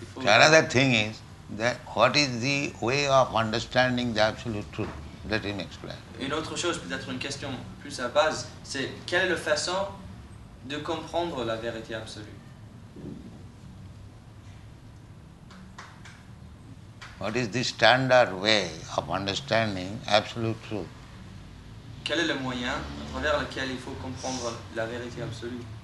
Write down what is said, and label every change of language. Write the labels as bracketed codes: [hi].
[en] Another thing is that what is the way of understanding the absolute truth? Let him explain. [fr] Une autre chose, peut-être une question plus à base, c'est quelle est la façon de comprendre la vérité absolue? [en] What is the standard way of understanding absolute truth? [fr] Quel est le moyen à travers lequel il faut comprendre la vérité absolue?